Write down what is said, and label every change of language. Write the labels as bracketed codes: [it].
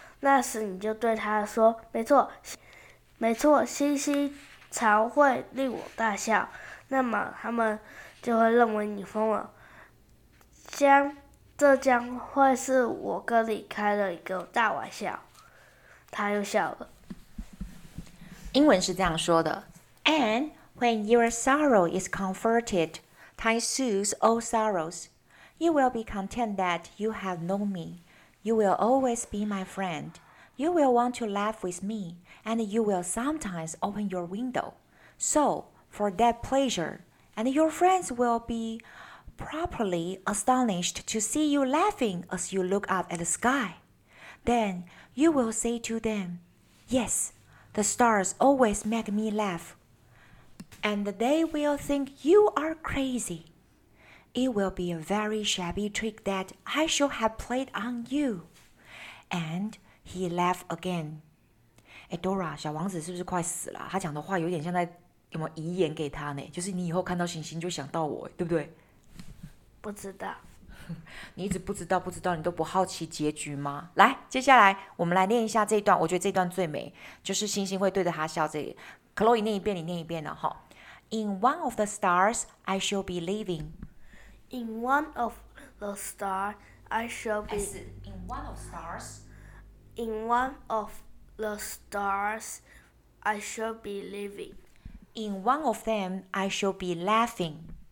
[zh] 那时你就对他说：“没错，没错，星星。”才会令我大笑，那么他们就会认为你疯了。这将会是我哥你开了一个大玩笑。他又笑了。英文是这样说的。 [en] And when your sorrow is comforted, time soothes all sorrows. You will be content that you have known me. You will always be my friend. You will want to laugh with me, and you will sometimes open your window. So, for that pleasure, and your friends will be properly astonished to see you laughing as you look up at the sky. Then you will say to them, Yes, the stars always make me laugh. And they will think you are crazy. It will be a very shabby trick that I shall have played on you. And he laughed again. [zh] Dora, 小王子是不是快死了？他讲的话有点像在有没有遗言给他呢？就是你以后看到星星就想到我，对不对？不知道。你一直不知道，不知道，你都不好奇结局吗？来，接下来我们来念一下这一段，我觉得这段最美，就是星星会对着他笑这里。 Chloe 念一遍，你念一遍呢，哈。 [en] In one of the stars, I shall be leaving. In one of the stars, I shall be. In one of stars. In one of the stars, I shall be leaving. In one of them, I shall be laughing.